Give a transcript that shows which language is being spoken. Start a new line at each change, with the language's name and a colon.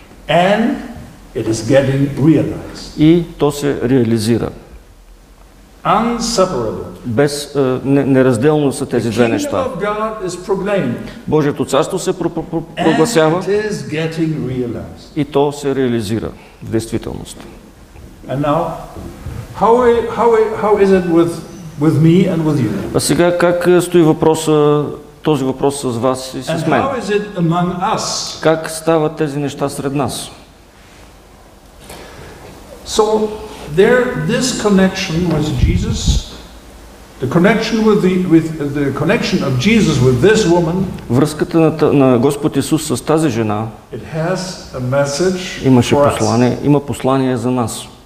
English: And it is getting realized.
Bulgarian: И то се реализира.
English: Unseparable.
Bulgarian: Без неразделно са тези две неща.
English: The kingdom of God is proclaimed.
Bulgarian: Божието царство се прогласява.
English: And it is getting realized.
Bulgarian: И то се реализира в действителност.
English: And now, how is it with me and with you?
Bulgarian: А сега как стои въпроса, този въпрос с вас и с мен?
English: And how is it among us?
Bulgarian: Как стават тези неща сред нас?
English: So there, this connection with Jesus, the connection of Jesus with this woman,
Bulgarian: връзката на Господ Исус с тази жена,
English: it has a message.
Bulgarian: Имаше послание, има послание за нас.